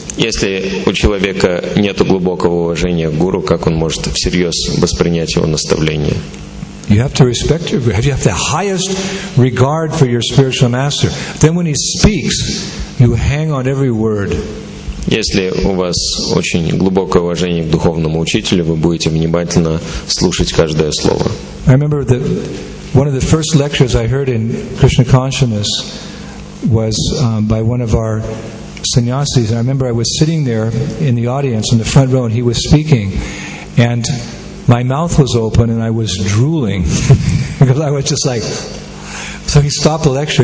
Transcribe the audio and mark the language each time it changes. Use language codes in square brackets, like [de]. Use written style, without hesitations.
[ru] Если у человека нет глубокого уважения к гуру, как он может всерьез воспринять его наставление? [en] You have to respect your guru. You have the highest regard for your spiritual master. Then when he speaks, you hang on every word. [ru] Если у вас очень глубокое уважение к духовному учителю, вы будете внимательно слушать каждое слово. [en] I remember that one of the first lectures I heard in Krishna consciousness was by one of our sannyasis. I remember I was sitting there in the audience in the front row and he was speaking. And my mouth was open and I was drooling because I was just like, so he stopped the lecture.